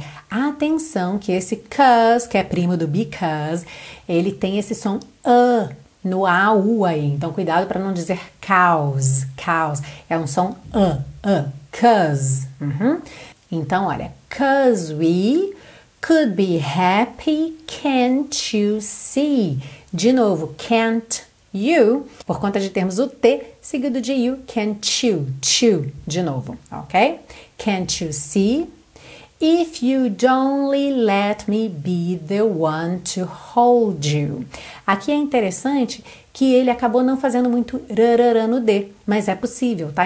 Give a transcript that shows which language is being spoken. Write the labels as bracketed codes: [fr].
[pt] Atenção que esse cause, que é primo do because, ele tem esse som a. No AU aí, então cuidado para não dizer cause, é um som cause. [en] Então olha, cause we could be happy, can't you see? [pt] De novo, can't you, por conta de termos o T seguido de you, can't you, de novo, ok? [en] Can't you see? If you'd only let me be the one to hold you. [pt] Aqui é interessante que ele acabou não fazendo muito rarara no D, mas é possível, tá?